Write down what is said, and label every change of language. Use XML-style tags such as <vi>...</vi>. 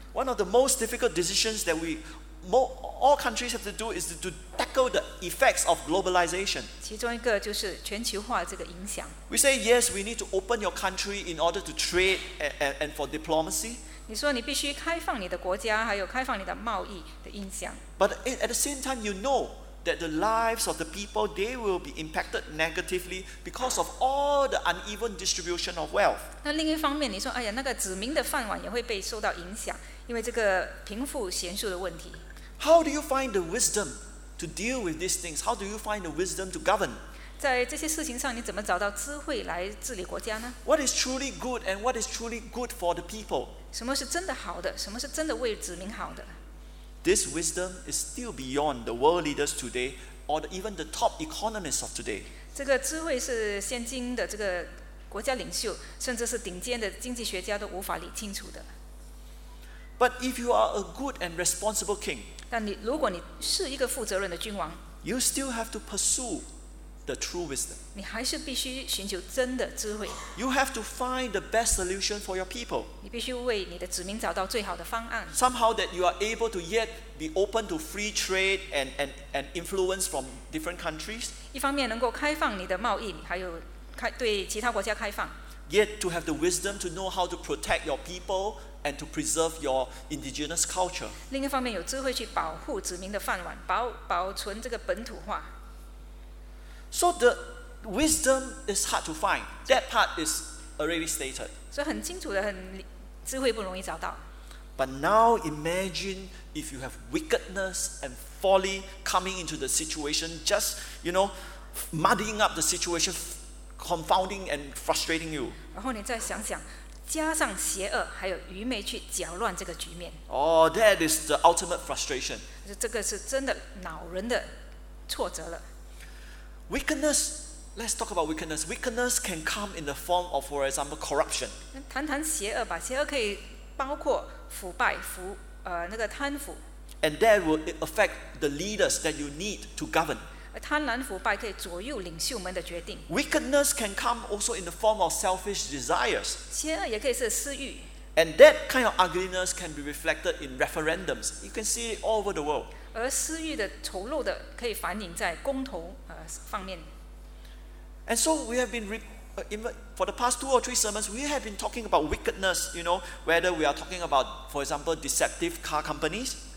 <en>One of the most difficult decisions that all countries have to do is to tackle the effects of globalization.</en> <zh>其中一个就是全球化这个影响。</zh> <en>We say yes, we need to open your country in order to trade and for diplomacy.</en> <zh>你说你必须开放你的国家，还有开放你的贸易的影响。</zh> <en>But at the same time, you know. That the lives of the people they will be impacted negatively because of all the uneven distribution of wealth.</en> <zh>那另一方面，你说，哎呀，那个子民的饭碗也会被受到影响，因为这个贫富悬殊的问题。</zh> <en>How do you find the wisdom to deal with these things? How do you find the wisdom to govern?</en> <zh>在这些事情上，你怎么找到智慧来治理国家呢？</zh> <en>What is truly good and what is truly good for the people?</en> <zh>什么是真的好的？什么是真的为子民好的？</zh> <en>This wisdom is still beyond the world leaders today, or even the top economists of today.</en> <zh>这个智慧是现今的这个国家领袖，甚至是顶尖的经济学家都无法理清楚的。</zh> <en>But if you are a good and responsible king,</en> <zh>但你如果你是一个负责任的君王，</zh> <en>you still have to pursue the true wisdom.</en> <zh>你还是必须寻求真的智慧。</zh> <en>You have to find the best solution for your people.</en> <zh>你必须为你的子民找到最好的方案。</zh> <en>Somehow that you are able to yet be open to free trade and influence from different countries.</en> <zh>一方面能够开放你的贸易，还有开对其他国家开放。</zh> <en>Yet to have the wisdom to know how to protect your people and to preserve your indigenous culture.</en> <zh>另一方面有智慧去保护子民的饭碗，保存这个本土化。</zh> <en>So the wisdom is hard to find. That part is already stated.</en> <zh>所以很清楚的，很智慧不容易找到。</zh> <en>But now imagine if you have wickedness and folly coming into the situation, just you know, muddying up the situation, confounding and frustrating you.</en> <zh>然后你再想想，加上邪恶还有愚昧去搅乱这个局面。</zh> <en>Oh, that is the ultimate frustration.</en> <zh>这个是真的恼人的挫折了。</zh> <en>Weakness, let's talk about weakness. Weakness can come in the form of, for example, corruption.</en> <zh>谈谈邪恶吧，邪恶可以包括腐败、那个贪腐。</zh> <en>And that will affect the leaders that you need to govern.</en> <zh>贪婪腐败可以左右领袖们的决定。</zh> <en>Weakness can come also in the form of selfish desires.</en> <zh>邪恶也可以是私欲。</zh> <en>And that kind of ugliness can be reflected in referendums. You can see it all over the world.</en> <zh>而私欲的丑陋的可以反映在公投方面。</zh> <en>And so we have been for the past two or three sermons, we have been talking about wickedness. You know, whether we are talking about, for example, deceptive car companies.</en>